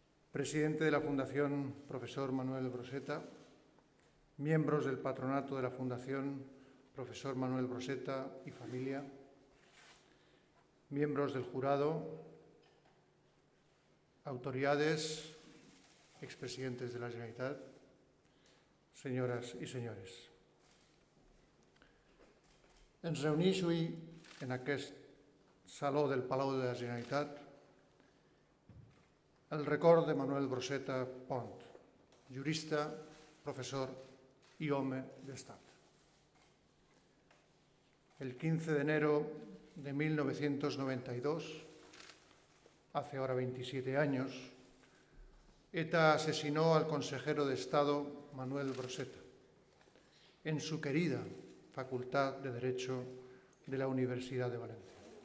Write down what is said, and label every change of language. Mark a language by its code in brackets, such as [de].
[es] presidente de la Fundación Profesor Manuel Broseta, miembros del patronato de la Fundación Profesor Manuel Broseta y familia, miembros del jurado, autoridades, expresidentes de la Generalitat, señoras y señores. [ca] Ens reunix avui en aquest saló del Palau de la Generalitat el record de Manuel Broseta Pont, jurista, professor i home d'estat. [es] El 15 d'enero de 1992, hace ahora 27 años, ETA asesinó al consejero de Estado Manuel Broseta en su querida Facultad de Derecho de la Universidad de Valencia.